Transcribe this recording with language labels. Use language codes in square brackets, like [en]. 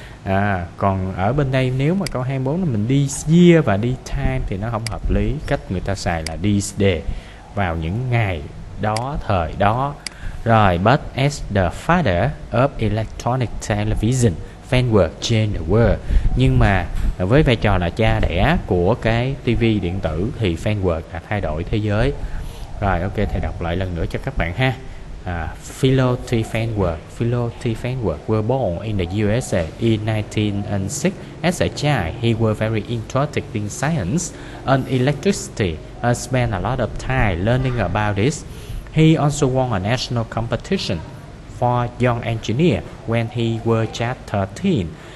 [vi] À, còn ở bên đây nếu mà câu 24 là mình this year và this time thì nó không hợp lý. Cách người ta xài là this day, vào những ngày đó, thời đó. [en] Rồi, but as the father of electronic television, fan work change the world. [vi] Nhưng mà với vai trò là cha đẻ của cái TV điện tử thì fan work là thay đổi thế giới. Rồi, ok, thầy đọc lại lần nữa cho các bạn ha. [en] Philo T. Fanworth were born in the USA in 1906. As a child, he was very interested in science and electricity and spent a lot of time learning about this. He also won a national competition for young engineer when he was just 13.